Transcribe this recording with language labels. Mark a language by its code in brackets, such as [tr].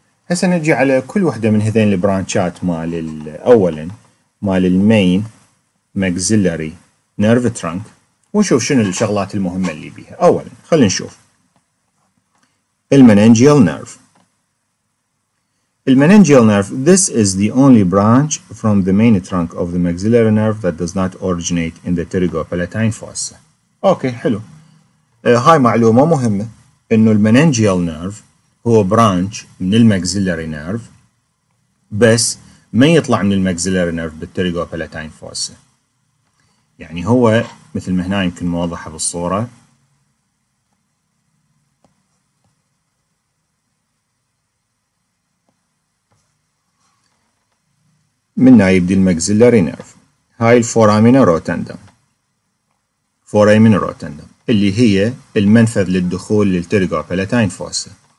[ar] هسه نجي على كل واحدة من هذين البرانشات مال الأولين مال المين ماكسيلاري نيرف ترانك ونشوف شنو الشغلات المهمة اللي بيها. أولاً خلينا نشوف المنينجيال نيرف. [en] المنينجيال nerve this is the only branch from the main trunk of the maxillary nerve that does not originate in the pterygopalatine fossa. [ar] أوكي حلو. هاي معلومة مهمة إنه المنينجيال نيرف هو برانش من الماكسيلاري نيرف بس ما يطلع من الماكسيلاري نيرف بالتريجوبالاتين فوسا. يعني هو مثل ما هنا يمكن موضحة بالصورة، من هنا يبدي الماكسيلاري نيرف، هاي الفورامينا روتندا، فورامينا روتندا اللي هي المنفذ للدخول للتريجوبالاتين فوسا.